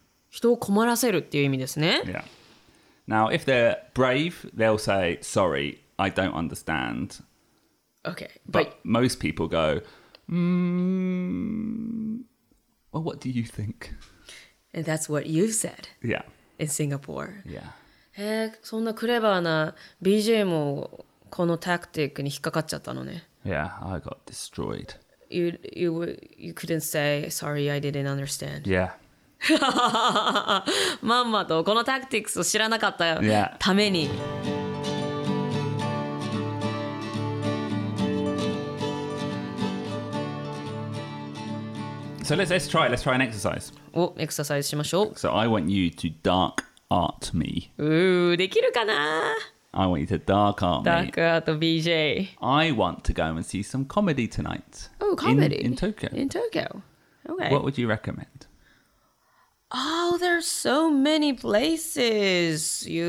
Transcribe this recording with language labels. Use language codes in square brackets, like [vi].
[ja] 人を困らせるっていう意味ですね。 [en] Yeah. Now, if they're brave, they'll say, sorry, I don't understand. Okay. But most people go, well, what do you think? And that's what you've said. Yeah. In Singapore. Yeah. [ja] そんなクレバーな BJ もこのタクティックに引っかかっちゃったのね。 [en] Yeah, I got destroyed. You couldn't say, sorry, I didn't understand. Yeah. [ja] まんまとこのタクティックスを知らなかったために。 [en] Yeah. So let's try an exercise. [ja] お、エクササイズしましょう。 [en] So I want you to dark art me. [ja] できるかな? [en] I want you to dark art me. Dark art BJ. I want to go and see some comedy tonight. Oh, comedy? In Tokyo. In Tokyo. Okay. What would you recommend? Oh, there are so many places.